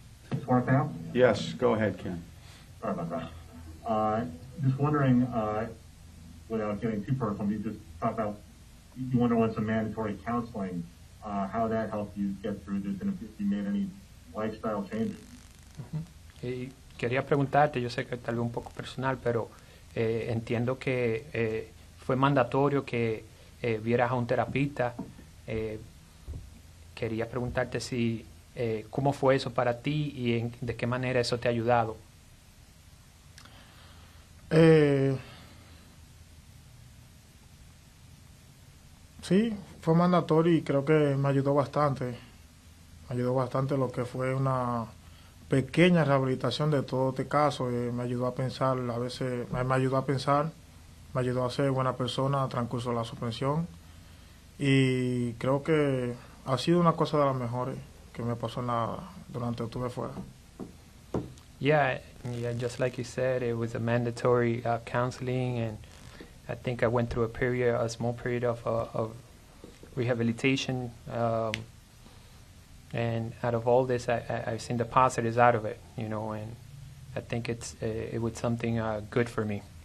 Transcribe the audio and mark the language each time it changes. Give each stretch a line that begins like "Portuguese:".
English: Does this work now? Yes, go ahead, Ken. Sorry about that. Just wondering, without getting too personal, you just talk about, you wonder what's a mandatory counseling, how that helped you get through this, and if you made any lifestyle changes. Uh-huh.
Spanish: Y quería preguntarte, yo sé que tal vez un poco personal, pero entiendo que fue mandatorio que vieras a un terapeuta. Quería preguntarte si cómo fue eso para ti y de qué manera eso te ha ayudado. Sí, fue mandatorio y creo que me ayudó bastante. Ayudó bastante lo que fue una pequeña rehabilitación de todo este caso. Me ayudó a pensar, a veces me ayudó a pensar, me ayudó a ser buena persona, transcurso la suspensión. Y creo que ha sido una cosa de las mejores que me pasó durante estuve fuera.
English: Yeah, just like you said, it was a mandatory counseling, and I think I went through a small period of rehabilitation. And out of all this, I've seen the positives out of it, you know, and I think it was something good for me.